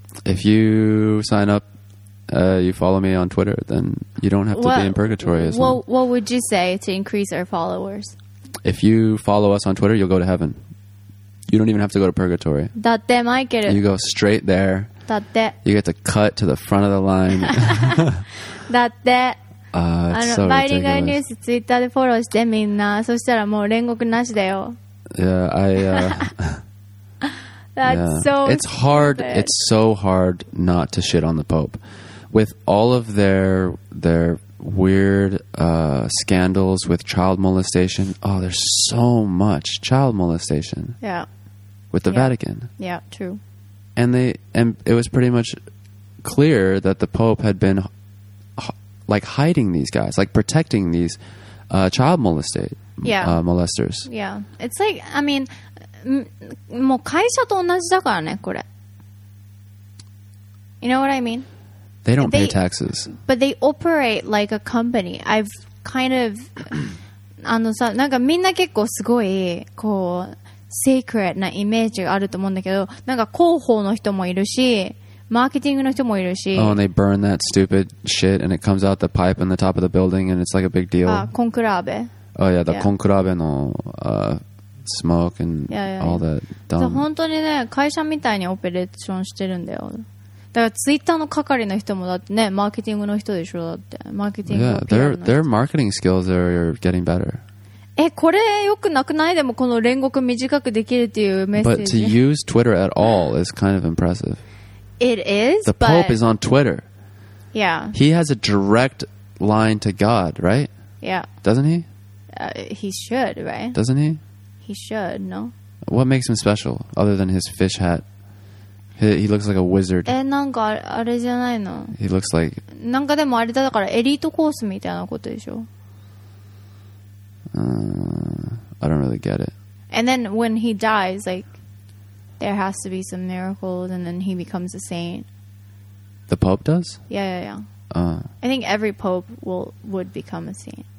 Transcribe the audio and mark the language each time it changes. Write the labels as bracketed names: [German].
[English] If you sign up, you follow me on Twitter, then you don't have to be in purgatory as well. What would you say to increase our followers? If you follow us on Twitter, you'll go to heaven. You don't even have to go to purgatory. [Japanese] だってマイケル。 [English] You go straight there. [Japanese] だって。 [English] You get to cut to the front of the line. [Japanese] だって。 [English] It's so ridiculous. [Japanese] 毎日ニュース、ツイッターでフォローしてみんな。そしたらもう煉獄なしだよ。 [English] Yeah, That's so hard. It's so hard not to shit on the Pope. With all of their weird scandals with child molestation. Oh, there's so much child molestation. Yeah. With the Vatican. Yeah, true. And it was pretty much clear that the Pope had been like hiding these guys, like protecting these child molesters. Yeah. It's like, I mean... [Japanese] もう会社と同じだからね、これ。 [English] You know what I mean? They don't pay taxes. But they operate like a company. I've kind of... [Japanese] あのさ、なんかみんな結構すごい、こう、sacred なイメージがあると思うんだけど、なんか広報の人もいるし、マーケティングの人もいるし。 [English] Oh, and they burn that stupid shit and it comes out the pipe in the top of the building and it's like a big deal. [Japanese] あ、コンクラーベ。 [English] Oh, yeah, the コンクラーベの...smoke and all that dumb. [Japanese] 本当にね、会社みたいにオペレーションしてるんだよ。だからツイッターの係の人もだってね、マーケティングの人でしょ、だって。マーケティングの人。 [English] Their marketing skills are getting better. [Japanese] え、これよくなくない? でもこの煉獄短くできるっていうメッセージ。 [English] But to use Twitter at all is kind of impressive. It is, The Pope is on Twitter. Yeah. He has a direct line to God, right? Yeah. Doesn't he? He should, right? Doesn't he? He should, no? What makes him special, other than his fish hat? He looks like a wizard. [Japanese] なんかあれじゃないの? [English] He looks like... [Japanese] なんかでもあれだからエリートコースみたいなことでしょ? [English] I don't really get it. And then when he dies, like, there has to be some miracles and then he becomes a saint. The Pope does? Yeah, yeah, yeah. I think every Pope would become a saint.